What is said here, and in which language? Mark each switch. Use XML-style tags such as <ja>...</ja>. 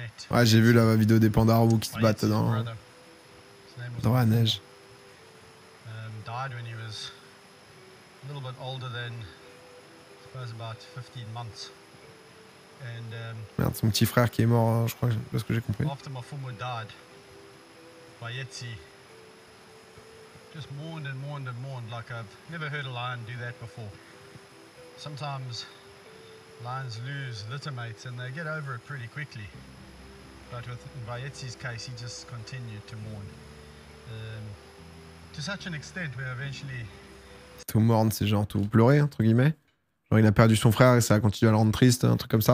<fr>Ouais, j'ai vu la vidéo des pandas roux qui se battent dans la neige.</fr> <en>Died when he was a little bit older than, I suppose, about 15 months.</en> <fr>And merde, son petit frère qui est mort, je crois, parce que j'ai compris.</fr> <en>After my former dad, Bayetsi, just mourned and mourned and mourned like I've never heard a lion do that before. Sometimes lions lose litter mates and they get over it pretty quickly. But with Vietti's case, he just continued to mourn. To such an extent, we eventually...</en> <fr>Tout mourne, c'est genre tout pleurer, entre guillemets. Genre il a perdu son frère et ça a continué à le rendre triste, un truc comme ça.</fr>